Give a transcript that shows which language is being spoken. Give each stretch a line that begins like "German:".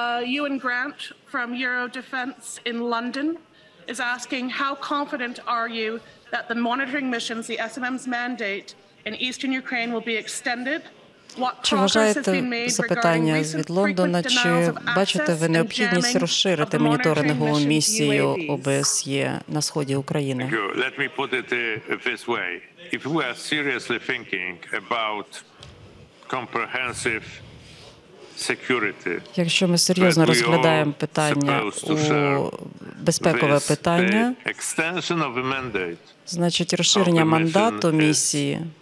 English: Ewan Grant from Eurodefense in London is asking, how confident are you that the monitoring missions, the SMM's mandate in eastern Ukraine will be extended?
Ukrainian: Чи вважаєте, запитання від Лондона, чи бачите ви необхідність розширити моніторингову місію ОБСЄ на сході України?
English: Let me put it this way. If we are seriously thinking about comprehensive security,
Ukrainian: якщо ми серйозно розглядаємо питання, безпекове питання,
English: extension of the mandate,
Ukrainian: значить розширення мандату місії